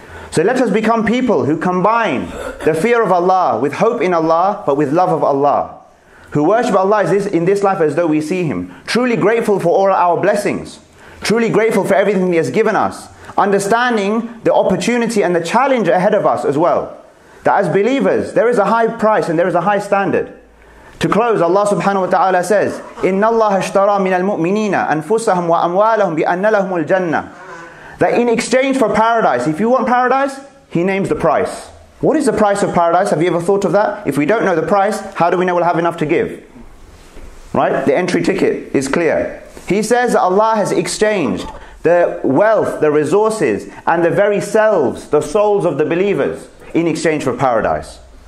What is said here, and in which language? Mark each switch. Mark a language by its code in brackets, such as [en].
[en] So let us become people who combine the fear of Allah with hope in Allah, but with love of Allah. Who worship Allah in this life as though we see Him. Truly grateful for all our blessings. Truly grateful for everything He has given us. Understanding the opportunity and the challenge ahead of us as well. That as believers, there is a high price and there is a high standard. To close, Allah subhanahu wa ta'ala says, [ar] إِنَّ اللَّهَ اشْتَرَى مِنَ الْمُؤْمِنِينَ أَنفُسَهُمْ وَأَمْوَالَهُمْ بِأَنَّ لَهُمُ الْجَنَّةِ. [en] That in exchange for paradise, if you want paradise, He names the price. What is the price of paradise? Have you ever thought of that? If we don't know the price, how do we know we'll have enough to give? Right? The entry ticket is clear. He says that Allah has exchanged the wealth, the resources, and the very selves, the souls of the believers, in exchange for paradise.